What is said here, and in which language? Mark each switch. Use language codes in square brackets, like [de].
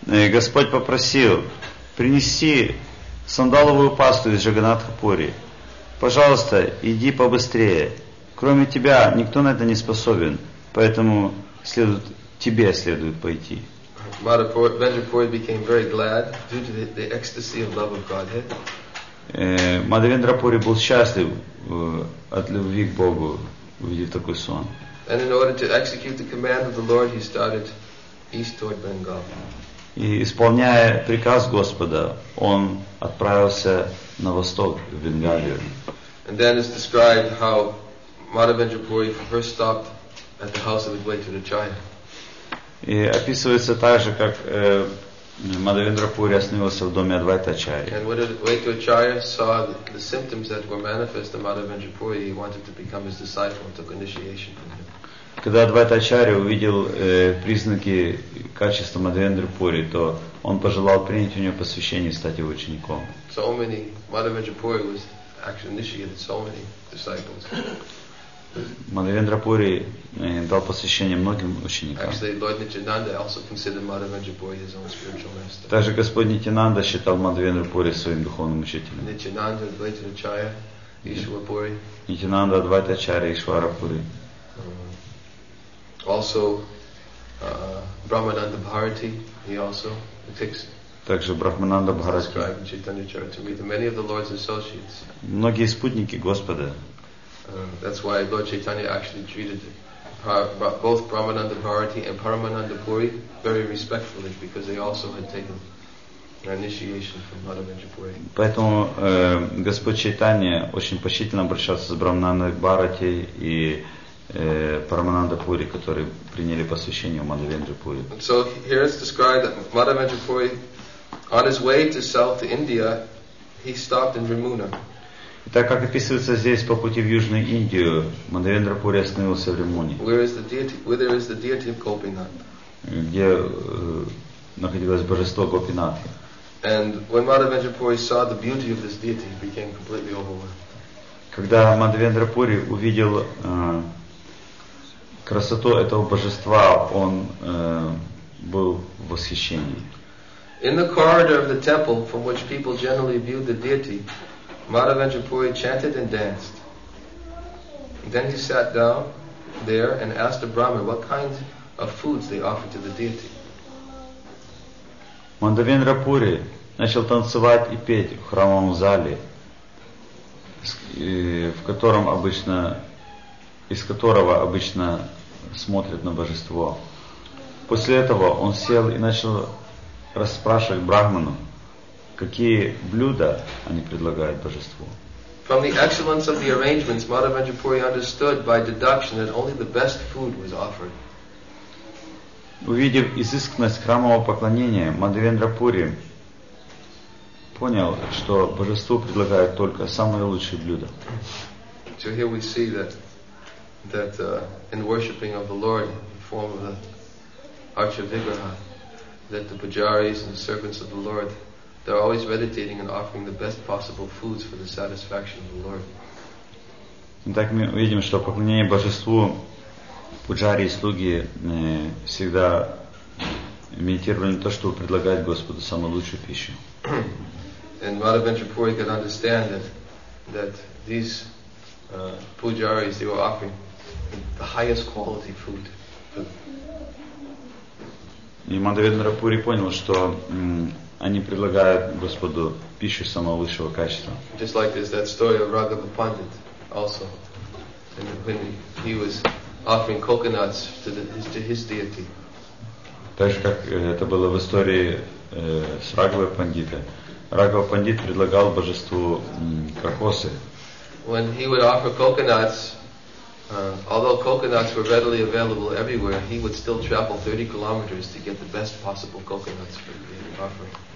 [ru] Господь попросил, принеси сандаловую пасту из Джаганнатхапури. Пожалуйста, иди побыстрее. Кроме тебя, никто на это не способен, поэтому тебе следует пойти. [en] Madhavendrapuri became very glad due to the ecstasy of love of Godhead. [ru] Мадхавендра Пури был счастлив от любви к Богу, увидев такой сон. [en] And in order to execute the command of the Lord, he started east toward Bengal. [ru] И исполняя приказ Господа, он отправился на восток, в Бенгалию. [en] And then it's described how Madhavendra Puri first stopped at the house of Advaita. [ru] И описывается также, как Мадхавендра Пури остановился в доме Адвайта Ачарьи. [en] And when Advaita Ачарья saw the symptoms that were manifest in Madhavendra Puri, he wanted to become his disciple and took initiation from him. [ru] Когда Адвайта Ачарья увидел признаки качества Мадхавендры Пури, то он пожелал принять у него посвящение и стать его учеником. [en] So many, Мадхавендра Пури was actually initiated so many disciples. [ru] Мадхавендра Пури дал посвящение многим ученикам. [en] Actually, Lord Nityananda also considered Мадхавендра Пури his own spiritual master. [ru] Также Господь Нитинанда считал Мадхавендру Пури своим духовным учителем. [en] Nityananda, Advaita Ачарья, Ишвара Пури. [ru] Нитинанда, Адвайта Ачарья, Ишвара Пури. [en] Also, Brahmananda Bharati, he also takes. [ru] Также Брахмананда Бхарати. [en] Many of the Lord's associates. [ru] Многие спутники Господа. [en] That's why Lord Chaitanya actually treated both Brahmananda Bharati and Paramananda Puri very respectfully, because they also had taken initiation from Madhavendra Puri. [ru] Поэтому Господь Чайтанья очень почтительно обращался с Брахмананой Бхарати и Парамананда Пури, которые приняли посвящение у Мадхавендры Пури. [en] So here it's described that Мадхавендра Пури, on his way to South India, he stopped in Ramuna. [ru] Так как описывается здесь, по пути в Южную Индию, Мадхавендра Пури остановился в Рамуне. [en] Where is the deity of Gopinath? [ru] Где находилось божество Гопинатха. [en] And when Мадхавендра Пури saw the beauty of this deity, he became completely overwhelmed. [ru] Когда Мадхавендра Пури увидел красоту этого божества, он был в восхищении. [en] In the corridor of the temple, from which people generally viewed the deity, Мадхавендра Пури chanted and danced. Then he sat down there and asked the Brahmin what kinds of foods they offered to the deity. [ru] Мадхавендра Пури начал танцевать и петь в храмовом зале, в котором обычно, из которого обычно смотрит на божество. После этого он сел и начал расспрашивать брахману, какие блюда они предлагают божеству. [en] From the excellence of the arrangements, Мадхавендра Пури understood by deduction that only the best food was offered. [ru] Увидев изысканность храмового поклонения, Мадхавендра Пури понял, что божеству предлагают только самые лучшие блюда. [en] So here we see that in worshipping of the Lord in the form of the Archivigraha, that the pujaris and the servants of the Lord, they're always meditating and offering the best possible foods for the satisfaction of the Lord. [ru] Итак, мы видим, что поклонение божеству пуджари и слуги всегда медитировали то, чтобы предлагать Господу самую лучшую пищу. [en] And Мадхавендра Пури could understand that these pujaris, they were offering the highest quality food. [ru] И Мадхавендра Пури понял, что они предлагают Господу пищу самого высшего качества. [en] Just like this, that story of Raghava Pandit also. And when he was offering coconuts to his deity. [ru] Так же, как это было в истории с Раговой Пандитой. Раговый Пандит предлагал божеству кокосы. [en] When he would offer coconuts, although coconuts were readily available everywhere, he would still travel 30 kilometers to get the best possible coconuts for the offering.